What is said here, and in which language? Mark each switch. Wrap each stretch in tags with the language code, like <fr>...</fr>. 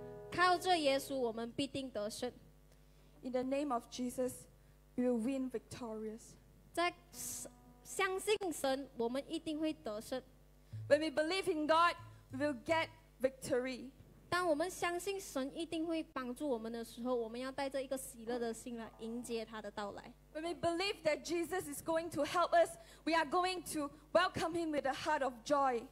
<zh>靠着耶稣, 我们必定得胜.</zh> <en>In the name of Jesus, we will win victorious.</en> <zh>在相信神, 我们一定会得胜.</zh> <en>When we believe in God, we will get victory.</en> <zh>当我们相信神一定会帮助我们的时候, 我们要带着一个喜乐的心来迎接他的到来。</zh> <en>When we believe that Jesus is going to help us, we are going to welcome him with a heart of joy.</en>